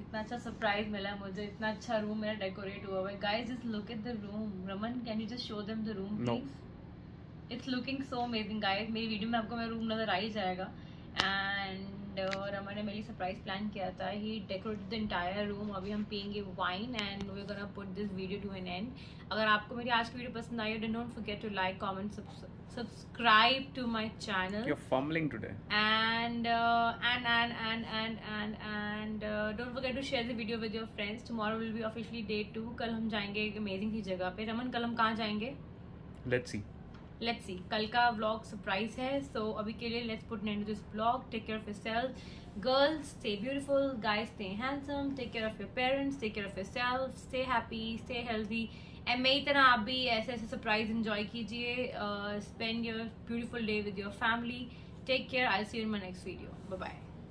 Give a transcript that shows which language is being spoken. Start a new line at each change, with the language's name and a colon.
Hindi: इतना अच्छा surprise मिला मुझे. इतना अच्छा room मेरा decorate हुआ है.
English: Guys, just look at the room. Raman, can you just show them the room, please? No. It's looking so amazing, guys.
Hindi: मेरी video में आपको मेरा room नजर आ ही जाएगा. And Raman ने मेरी surprise plan किया था.
English: He decorated the entire room.
Hindi: अभी हम पियेंगे
English: wine and we're gonna put this video to an end.
Hindi: अगर आपको मेरी आज की video पसंद आई,
English: then don't forget to like, comment, subscribe to my channel. You're fumbling today. And don't forget to share the video with your friends. Tomorrow will be officially day 2.
Hindi: कल हम जाएंगे एक amazing सी जगह पे. Raman, कल हम कहाँ जाएंगे?
English: Let's see.
Hindi: कल का vlog surprise है.
English: So
Hindi: अभी के लिए
English: let's put an end to this vlog. Take care of yourself. Girls, stay beautiful. Guys, stay handsome. Take care of your parents. Take care of yourself. Stay happy. Stay healthy. And
Hindi: मेरी तरह आप भी ऐसे ऐसे surprise enjoy कीजिए.
English: Spend your beautiful day with your family. Take care. I see you in my next video. Bye bye.